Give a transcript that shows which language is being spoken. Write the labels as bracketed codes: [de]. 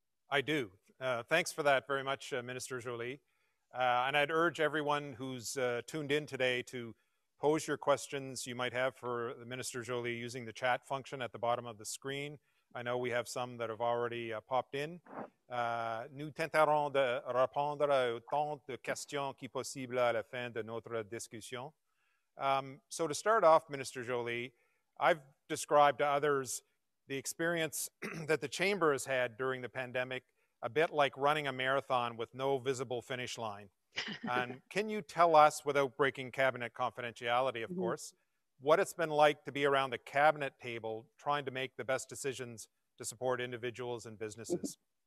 [en] I do. Thanks for that very much, Minister Joly. And I'd urge everyone who's tuned in today to pose your questions you might have for Minister Joly using the chat function at the bottom of the screen. I know we have some that have already popped in. [fr] Nous tenterons de répondre à autant de questions que possible à la fin de notre discussion. [en] So to start off, Minister Joly, I've described to others the experience that the Chamber has had during the pandemic, a bit like running a marathon with no visible finish line. And can you tell us, without breaking cabinet confidentiality, of course, what it's been like to be around the cabinet table trying to make the best decisions to support individuals and businesses?